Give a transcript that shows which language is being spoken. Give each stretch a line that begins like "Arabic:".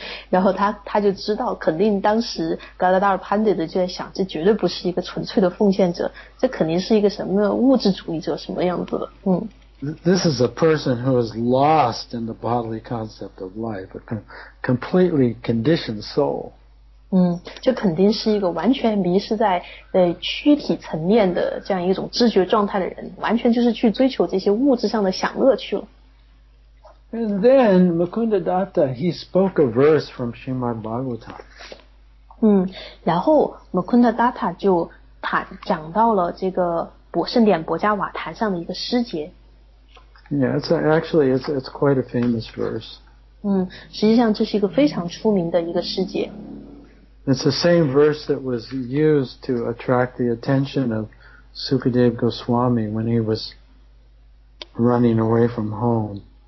Chinese: 然后他就知道肯定当时 Gadadhar Pandit 就在想，这绝对不是一个纯粹的奉献者，这肯定是一个什么物质主义者什么样子的。
English: This is a person who is lost in the bodily concept of life, a completely conditioned soul.
Chinese: 就肯定是一个完全迷失在躯体层面的这样一种知觉状态的人，完全就是去追求这些物质上的享乐去了。
English: And then Mukunda Datta, he spoke a verse from Srimad Bhagavatam.
Chinese: 然后 Mukunda Datta 就讲到了这个圣典博迦瓦坛上的一个诗节。
English: Yeah, it's quite a famous verse.
Chinese: 实际上这是一个非常出名的一个诗节。
English: It's the same verse that was used to attract the attention of Sukadev Goswami when he was running away from home.